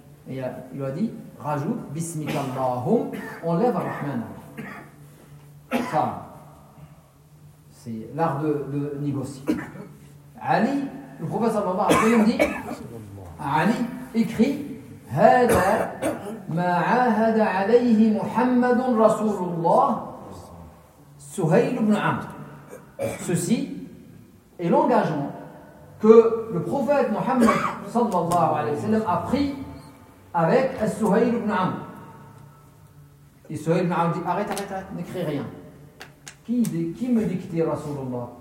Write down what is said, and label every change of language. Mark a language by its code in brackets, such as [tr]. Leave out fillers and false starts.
[fr] Et il lui a dit, rajoute bismikallahum. Enlève Rahman Rahim. Ça, c'est l'art de négocier. Ali, le prophète sallallahu alayhi wa sallam dit, Ali, écris. [ar] هذا ما عاهد عليه محمد رسول الله سهيل بن عمرو. [fr] Ceci est l'engagement que le prophète Mohammed sallallahu alayhi wa sallam a pris avec Suhail ibn Amr. Et Suhail ibn Amr dit, arrête, n'écris rien. Qui me dit que tu es Rasulullah?